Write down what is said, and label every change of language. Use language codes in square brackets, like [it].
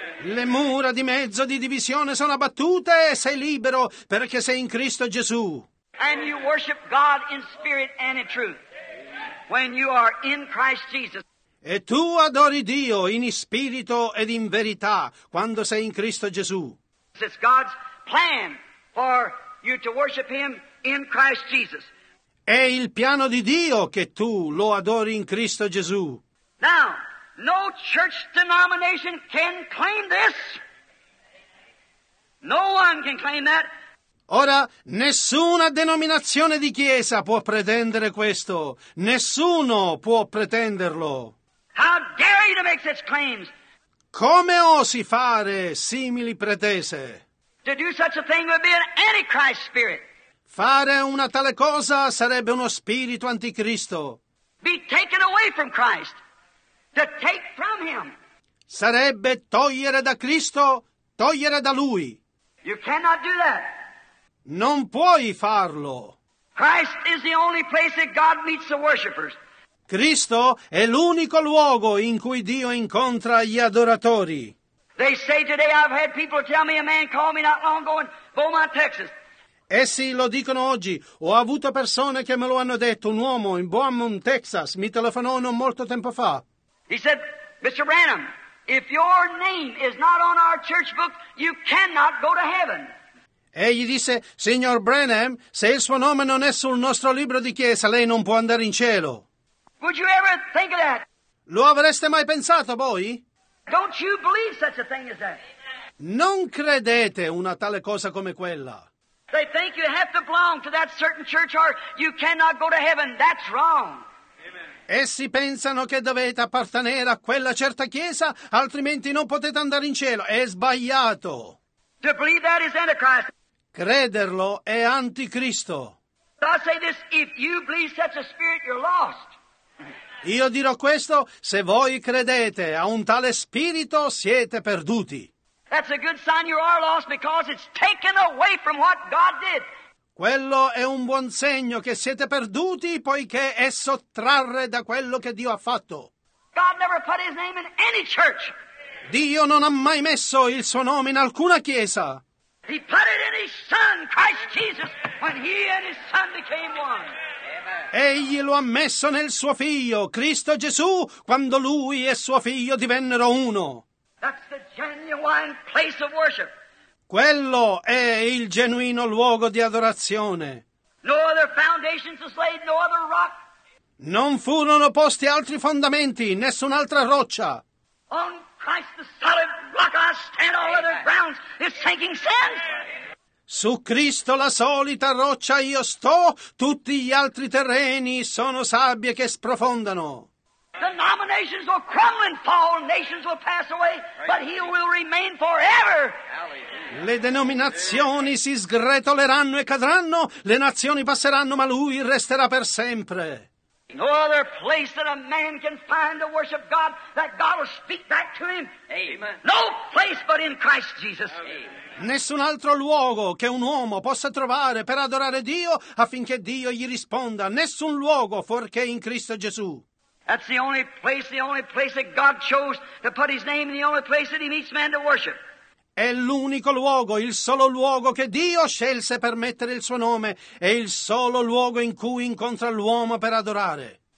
[it] Le mura di mezzo di divisione sono abbattute e sei libero perché sei in Cristo Gesù. [en] And you worship God in spirit and in truth when you are in Christ Jesus. [it] E tu adori Dio in spirito ed in verità quando sei in Cristo Gesù. [en] It's God's plan for you to worship him in Christ Jesus. [it] È il piano di Dio che tu lo adori in Cristo Gesù. [en] Now, no church denomination can claim this. No one can claim that. [it] Ora, nessuna denominazione di chiesa può pretendere questo. Nessuno può pretenderlo. [en] How dare you to make such claims? [it] Come osi fare simili pretese? [en] To do such a thing would be an antichrist spirit. [it] Fare una tale cosa sarebbe uno spirito anticristo. [en] Be taken away from Christ, to take from him. [it] Sarebbe togliere da Cristo, togliere da Lui. [en] You cannot do that. [it] Non puoi farlo. [en] Christ is the only place that God meets the worshipers. [it] Cristo è l'unico luogo in cui Dio incontra gli adoratori. [en] They say today I've had people tell me a man called me not long ago in Beaumont, Texas. [it] Essi lo dicono oggi, ho avuto persone che me lo hanno detto, un uomo in Beaumont, Texas, mi telefonò non molto tempo fa. [en] He said, Mr. Branham, if your name is not on our church book, you cannot go to heaven. [it] Egli disse, signor Branham, se il suo nome non è sul nostro libro di chiesa, lei non può andare in cielo. [en] Would you ever think of that? [it] Lo avreste mai pensato voi? [en] Don't you believe such a thing as that? [it] Non credete una tale cosa come quella. [en] They think you have to belong to that certain church or you cannot go to heaven. That's wrong. Amen. [it] Essi pensano che dovete appartenere a quella certa chiesa, altrimenti non potete andare in cielo. È sbagliato. [en] To believe that is antichrist. [it] Crederlo è anticristo. [en] I say this, if you believe such a spirit, you're lost. [it] Io dirò questo, se voi credete a un tale spirito, siete perduti. [en] That's a good sign you are lost because it's taken away from what God did. [it] Quello è un buon segno che siete perduti poiché è sottrarre da quello che Dio ha fatto. [en] God never put his name in any church. [it] Dio non ha mai messo il suo nome in alcuna chiesa. [en] He put it in his son, Christ Jesus, when he and his son became one. [it] Egli lo ha messo nel suo figlio, Cristo Gesù, quando lui e suo figlio divennero uno. [en] Genuine place of worship. [it] Quello è il genuino luogo di adorazione. [en] No other foundations was laid, no other rock. [it] Non furono posti altri fondamenti, nessun'altra roccia. [en] On Christ, the solid rock I stand on, other grounds is sinking sand. [it] Su Cristo la solita roccia io sto, tutti gli altri terreni sono sabbie che sprofondano. [en] Denominations will crumble and fall, nations will pass away, but he will remain forever. [it] Le denominazioni si sgretoleranno e cadranno, le nazioni passeranno, ma lui resterà per sempre. [en] No other place that a man can find to worship God, that God will speak back to him. Amen. No place but in Christ Jesus. [it] Nessun altro luogo che un uomo possa trovare per adorare Dio affinché Dio gli risponda. Nessun luogo fuorché in Cristo Gesù. [en] That's the only place that God chose to put his name, in the only place that he meets man to worship. [it] È l'unico luogo, il solo luogo che Dio scelse per mettere il suo nome, è il solo luogo in cui incontra l'uomo per adorare.